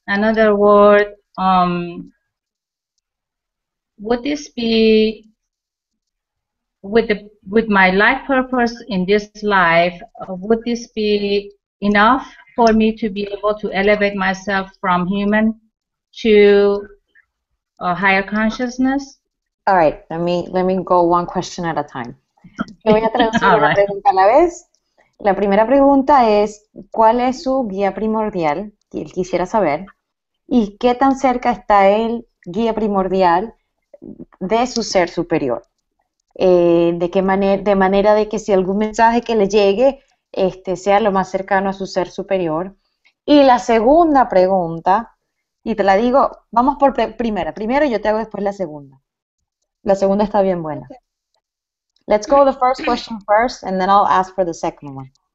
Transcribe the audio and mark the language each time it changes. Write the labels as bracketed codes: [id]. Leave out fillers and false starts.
[en] In other words, would this be with my life purpose in this life, would this be enough for me to be able to elevate myself from human to a higher consciousness? All right, let me go one question at a time. [es] Me voy a traducir una pregunta a la vez. La primera pregunta es, ¿cuál es su guía primordial? Él quisiera saber. ¿Y qué tan cerca está el guía primordial de su ser superior? De manera de que si algún mensaje que le llegue sea lo más cercano a su ser superior. Y la segunda pregunta, y te la digo, vamos por primera. Primero yo te hago después la segunda. La segunda está bien buena. [en] Let's go the first question first, and then I'll ask for the second one.